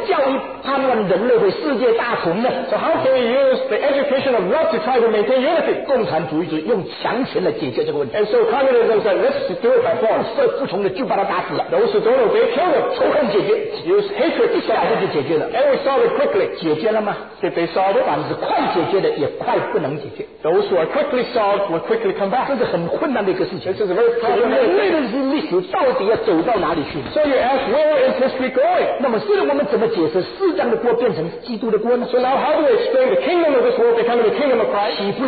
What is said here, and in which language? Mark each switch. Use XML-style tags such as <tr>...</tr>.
<en>So how can you use the education of love to try to maintain unity?</en> <zh>共产主义者用强权来解决这个问题。</zh> <en>And so communism said, let's do it by force.</en> <zh>不从的就把他打死了。</zh> <en>Those who don't obey, kill them.</en> <zh>仇恨解决。</zh> <en>Use hatred.</en> <zh>一下子就解决了。</zh> <en>And we solve it quickly.</en> <zh>解决了吗？</zh> <en>Did they solve it?</en> <zh>反正是快解决的也快不能解决。</zh> <en>Those who are quickly solved will quickly come back.</en> <zh>这是很困难的一个事情。</zh> <en>This is a very problematic thing.</en> <zh>人类的历史到底要走到哪里去？</zh> <en>So you ask, where is history going?</en> <zh>那么是我们怎么解释四章的国变成基督的国呢？</zh> <en>So now how do we explain the kingdom of this world becoming the kingdom of Christ?</en>